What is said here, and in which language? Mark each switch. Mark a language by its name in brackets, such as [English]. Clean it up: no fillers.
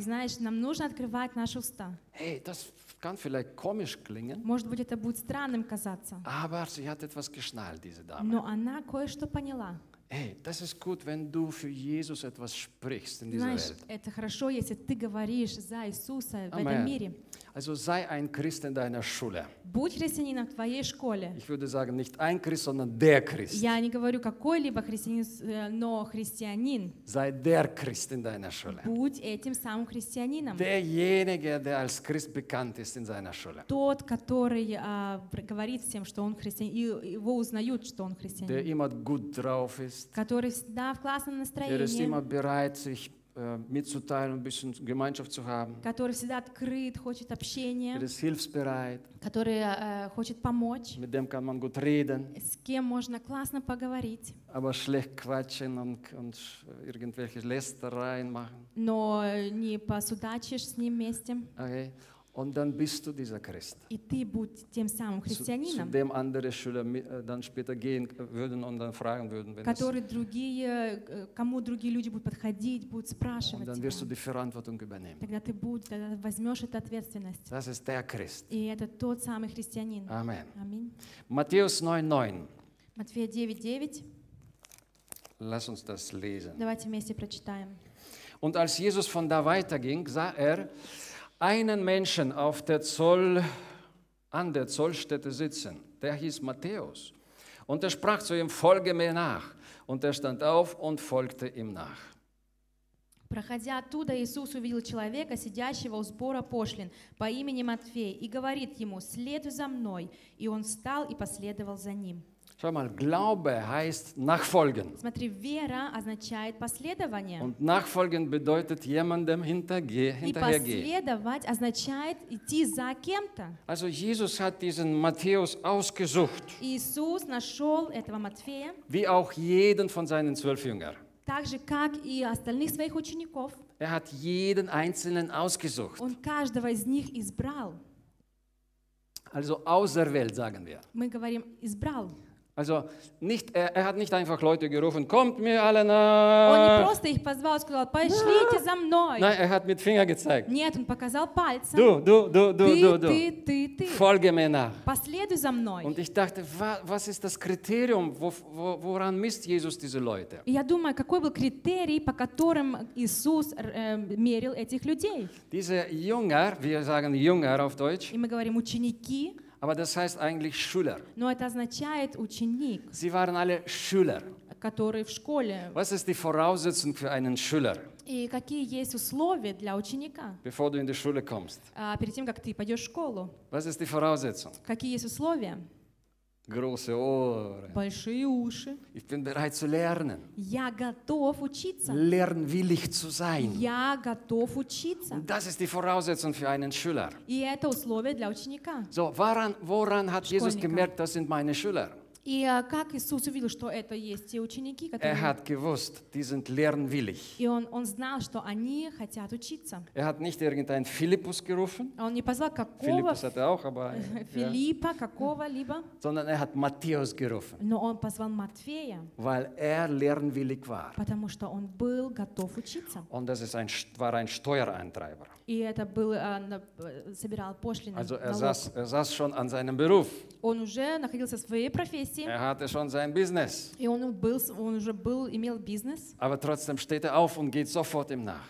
[Russian] Знаешь, нам нужно открывать наши уста. [German] Hey, das kann vielleicht komisch klingen. [Russian] Может быть, это будет странным казаться. [German] Aber sie hat etwas geschnallt, diese Dame. [Russian] Но она кое-что поняла. [German] Hey, das ist gut, wenn du für Jesus etwas sprichst in dieser [Russian] Знаешь, [German] Welt. [Russian] Это хорошо, если ты говоришь за Иисуса в этом мире. [German] Also sei ein Christ in deiner Schule. [Russian] Будь христианином в твоей школе. [German] Ich würde sagen, nicht ein Christ, sondern der Christ. [Russian] Я не говорю какой-либо христианин, но христианин. [German] Sei der Christ in deiner Schule. [Russian] Будь этим самым христианином. [German] Derjenige, der als Christ bekannt ist in seiner Schule. [Russian] Тот, который говорит всем, что он христианин, и его узнают, что он христианин. [German] Der immer gut drauf ist. [Russian] Который всегда в классном настроении. [German] Der ist immer bereit, sich mitzuteilen, ein bisschen Gemeinschaft zu haben. [Russian] Который всегда открыт, хочет общения. [German] Der ist hilfsbereit. [Russian] Который хочет помочь. [German] Mit dem kann man gut reden. [Russian] С кем можно классно поговорить. [German] Aber schlecht quatschen und irgendwelche Lästereien machen. [Russian] Но не посудачишь с ним вместе. [German] Okay. Und dann bist du dieser Christ. [Russian] И ты будь тем самым христианином. [German] Zu dem andere Schüler dann später gehen würden und dann fragen würden, wenn [Russian] который другие, кому другие люди будут подходить, будут спрашивать. [German] Und dann wirst du die Verantwortung übernehmen. [Russian] Тогда ты будь, тогда возьмешь эту ответственность. [German] Das ist der Christ. [Russian] И это тот самый христианин. [German] Amen. Amen. Matthäus 9:9. [Russian] Матфея 9:9. [German] Lass uns das lesen. [Russian] Давайте вместе прочитаем. [German] Und als Jesus von da weiterging, sah er einen Menschen auf der Zoll, an der Zollstätte sitzen, der hieß Matthäus. Und er sprach zu ihm, folge mir nach. Und er stand auf und folgte ihm nach. [Russian] Проходя оттуда, Иисус увидел человека, сидящего у сбора пошлин, по имени Матфей, и говорит ему, следуй за мной. И он встал и последовал за ним. [German] Schau mal, Glaube heißt nachfolgen. [Russian] Смотри, вера означает последование. [German] Und nachfolgen bedeutet jemandem hinterhergehen. [Russian] И последовать означает идти за кем-то. [German] Also Jesus hat diesen Matthäus ausgesucht. [Russian] Иисус нашел этого Матфея. [German] Wie auch jeden von seinen 12 Jüngern. [Russian] Так же, как и остальных своих учеников. [German] Er hat jeden einzelnen ausgesucht. [Russian] Он каждого из них избрал. [German] Also auserwählt, sagen wir. [Russian] Мы говорим избрал. [German] Also nicht, er hat nicht einfach Leute gerufen, kommt mir alle nach. [Russian] Он не просто их позвал, сказал, пошлите за мной. [German] Nein, er hat mit Finger gezeigt. [Russian] Нет, он показал пальцем. [German] Du. [Russian] Ты. [German] Folge mir nach. [Russian] Последуй за мной. [German] Und ich dachte, was ist das Kriterium, woran misst Jesus diese Leute? [Russian] Я думаю, какой был критерий, по которым Иисус мерил этих людей? [German] Diese Jünger, wir sagen Jünger auf Deutsch. [Russian] И мы говорим ученики. [German] Aber das heißt eigentlich Schüler. [Russian] Но это означает ученик. [German] Sie waren alle Schüler. [Russian] Которые в школе. [German] Was ist die Voraussetzung für einen Schüler? [Russian] И какие есть условия для ученика? [German] Bevor du in die Schule kommst. [Russian] Перед тем, как ты пойдешь в школу. [German] Was ist die Voraussetzung? [Russian] Какие есть условия? [German] Große Ohren. [Russian] Большие уши. [German] Ich bin bereit zu lernen. [Russian] Я готов учиться. [German] Lernwillig zu sein. [Russian] Я готов учиться. [German] Und das ist die Voraussetzung für einen Schüler. [Russian] И это условие для ученика. [German] So, woran hat Jesus gemerkt, das sind meine Schüler? [Russian] И как Иисус увидел, что это есть те ученики, которые... [German] Er hat gewusst, die sind lernwillig. [Russian] И он знал, что они хотят учиться. [German] Er hat nicht irgendeinen Philippus gerufen. [Russian] Он не позвал какого... [German] Philippus hat er auch, aber... [Russian] Филиппа, какого-либо. [German] Sondern er hat Matthäus gerufen. [Russian] Но он позвал Матфея. [German] Weil er lernwillig war. [Russian] Потому что он был готов учиться. [German] Und das ist war ein Steuereintreiber. [Russian] И это был... собирал пошлины. [German] Also er saß schon an seinem Beruf. [Russian] Он уже находился в своей профессии. [German] Er hatte schon sein Business. [Russian] И он имел бизнес. [German] Aber trotzdem steht er auf und geht sofort ihm nach.